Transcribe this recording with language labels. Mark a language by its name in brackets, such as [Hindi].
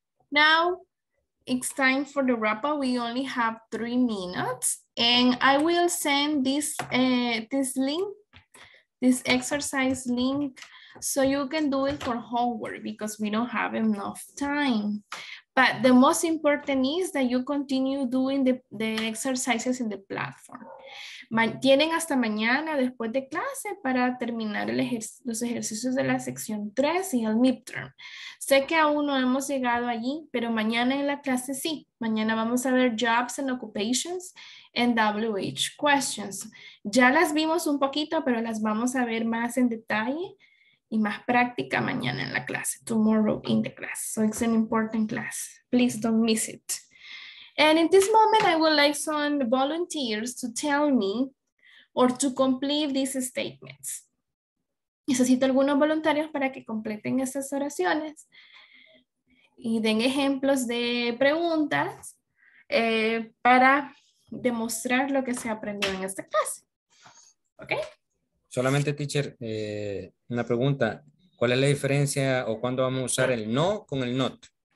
[English] Now it's time for the wrap up. We only have 3 minutes and I will send this this link, this exercise link, so you can do it for homework because we don't have enough time. But the most important is that you continue doing the exercises in the platform. [Spanish] Tienen hasta mañana después de clase para terminar el los ejercicios de la sección 3 y el midterm. Sé que aún no hemos llegado allí, pero mañana en la clase sí. Mañana vamos a ver jobs and occupations and WH questions. Ya las vimos un poquito, pero las vamos a ver más en detalle y más práctica mañana en la clase, [English] tomorrow in the class. So it's an important class. Please don't miss it. And in this moment, I would like some volunteers to tell me or to complete these statements. [Spanish] Necesito algunos voluntarios para que completen estas oraciones y den ejemplos de preguntas para demostrar lo que se aprendió en esta clase. ¿Ok? Solamente, teacher, una pregunta. ¿Cuál es la diferencia o cuándo vamos a usar el no con el not?